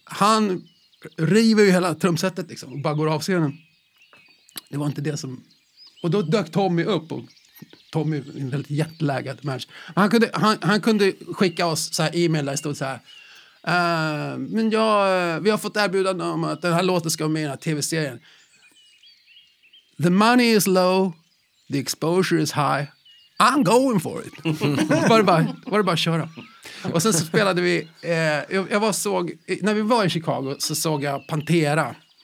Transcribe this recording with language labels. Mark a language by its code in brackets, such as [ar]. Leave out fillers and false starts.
[sv] Han river ju hela trumsetet liksom och bara går av scenen. Det var inte det som... Och då dök Tommy upp och Tommy, en väldigt jättelägad match. Han kunde skicka oss så här e-mail där det stod så här, men ja, vi har fått erbjudande om att den här låten ska vara med i den här tv-serien. [en] The money is low, the exposure is high, I'm going for it. [sv] var det bara att köra. Och sen så spelade vi, när vi var i Chicago så såg jag Pantera.